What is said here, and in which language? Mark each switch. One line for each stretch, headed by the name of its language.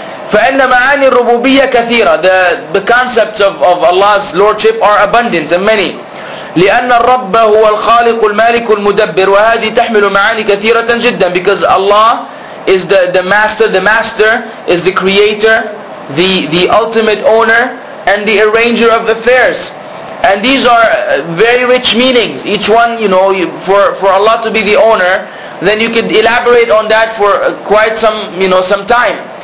Arabic: فإن معاني الربوبية كثيرة.
English: The concepts of Allah's lordship are abundant and many.
Arabic: لأن الرب هو الخالق المالك المدبر وهذه تحمل معاني كثيرة جدا.
English: Because Allah is the master is the creator, the ultimate owner and the arranger of affairs. And these are very rich meanings. Each one, you know, for Allah to be the owner, then you could elaborate on that for quite some, you know, some time.